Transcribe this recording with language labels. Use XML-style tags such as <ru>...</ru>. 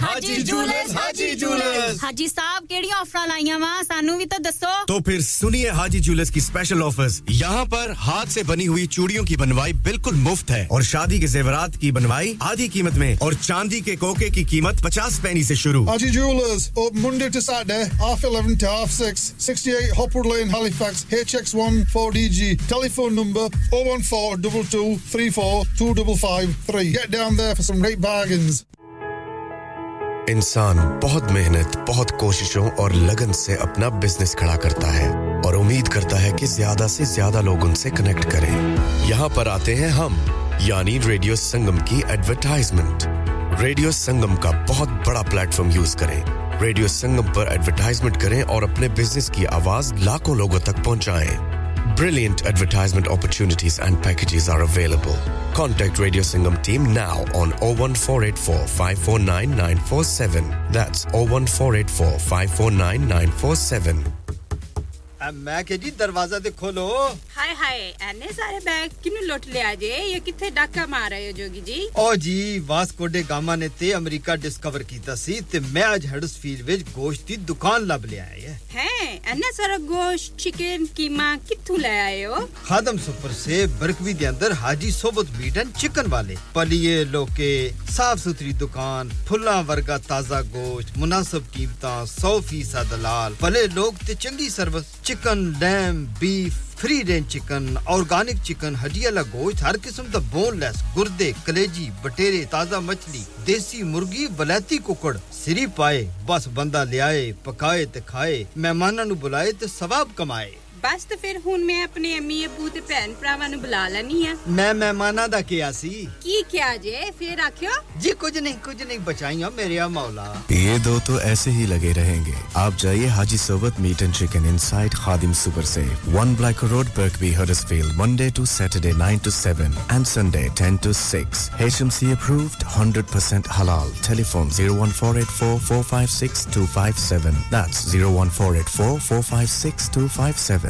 <hi>हां जी ज्वेलर्स हां जी ज्वेलर्स</hi> <pa>हां जी साहब केड़ी ऑफर लाईया वा सानू भी तो दसो</pa> <hi>तो फिर सुनिए हाजी ज्वेलर्स की स्पेशल ऑफर्स यहां पर हाथ से बनी हुई चूड़ियों की बनवाई बिल्कुल मुफ्त है और शादी के जेवरात की बनवाई आधी कीमत में और चांदी के कोके की कीमत 50</hi> <en>Haji Jewelers, open Monday to Saturday, 11:30 to 6:30, 68 Hopwood Lane, Halifax, HX1 4DG. Telephone number 01422342553. Get down there for some great bargains.</en> <hi>इंसान बहुत मेहनत, बहुत कोशिशों और लगन से अपना बिजनेस खड़ा करता है और उम्मीद करता है कि ज्यादा से ज्यादा लोग उनसे कनेक्ट करें। यहाँ पर आते हैं हम, यानी रेडियो संगम की एडवरटाइजमेंट। रेडियो संगम का बहुत बड़ा प्लेटफॉर्म यूज करें रेडियो संगम पर एडवर्टाइजमेंट करें और अपने बिजनेस की आवाज लाखों लोगों तक पहुंचाएं</hi> <en>brilliant advertisement opportunities and packages are available contact radio Sangam team now on 01484549947 that's 01484549947</en> <pa>ਮੈਂ ਕਿ ਜੀ ਦਰਵਾਜ਼ਾ ਤੇ ਖੋਲੋ ਹਾਏ ਹਾਏ ਐਨੇ ਸਾਰੇ ਬੈਗ ਕਿਨੂੰ ਲੁੱਟ ਲਿਆ ਜੇ ਇਹ ਕਿੱਥੇ ਡਾਕਾ ਮਾਰ ਰਹੇ ਹੋ ਜੋਗੀ ਜੀ ਓ ਜੀ ਵਾਸਕੋ ਡੇ ਗਾਮਾ ਨੇ ਤੇ ਅਮਰੀਕਾ ਡਿਸਕਵਰ ਕੀਤਾ ਸੀ ਤੇ ਮੈਂ ਅੱਜ ਹਡਸਫੀਲਡ ਵਿੱਚ ਗੋਸ਼ਤ ਦੀ ਦੁਕਾਨ ਲੱਭ ਲਿਆ ਹੈ ਹੈ ਐਨੇ ਸਾਰੇ ਗੋਸ਼ਤ ਚਿਕਨ ਕੀਮਾ ਕਿੱਥੋਂ ਲੈ ਆਏ ਹੋ ਖਾਦਮ ਸੁਪਰ ਸੇ ਬਰਕਵੀ ਦੇ ਅੰਦਰ ਹਾਜੀ ਸੋਬਤ ਮੀਟ ਐਂਡ ਚਿਕਨ ਵਾਲੇ ਪਲੀਏ ਲੋਕੇ ਸਾਫ ਸੁਥਰੀ ਦੁਕਾਨ ਫੁੱਲਾਂ ਵਰਗਾ ਤਾਜ਼ਾ ਗੋਸ਼ਤ ਮੁਨਾਸਬ ਕੀਮਤਾਂ 100% ਦਲਾਲ ਭਲੇ ਲੋਕ ਤੇ ਚੰਗੀ service</pa> <en>Chicken, lamb, beef, free-range chicken, organic chicken,</en> <pa>hadiyala gosht, har kisam da boneless, gurde, kaleji, batere, taza machli, desi, murgi, balati kukad, siri paaye, bas banda liaye, pakaye te khaye, mehmana nu bulaye te sawab kamaye. ਬਸ ਤੇ ਫਿਰ ਹੁਣ ਮੈਂ ਆਪਣੇ ਅਮੀ ਅਬੂ ਤੇ ਭੈਣ ਭਰਾਵਾਂ ਨੂੰ ਬੁਲਾ ਲੈਣੀ ਆ ਮੈਂ ਮਹਿਮਾਨਾਂ ਦਾ ਕਿਹਾ ਸੀ ਕੀ ਕਿਹਾ ਜੇ ਫਿਰ ਆਖਿਓ ਜੀ ਕੁਝ ਨਹੀਂ ਬਚਾਈਆਂ ਮੇਰੇ ਆ ਮੌਲਾ ਇਹ ਦੋ ਤੋਂ ਐਸੇ ਹੀ ਲਗੇ ਰਹਿਣਗੇ ਆਪ ਜਾਈਏ ਹਾਜੀ ਸਰਵਤ meat and chicken inside Khadim super say 1 black road ਬਰਕਵੀ Huddersfield</pa> <en>Monday to Saturday 9 to 7 and Sunday 10 to 6 HMC approved 100% ਹਲਾਲ telephone 01484456257 that's 01484456257</en>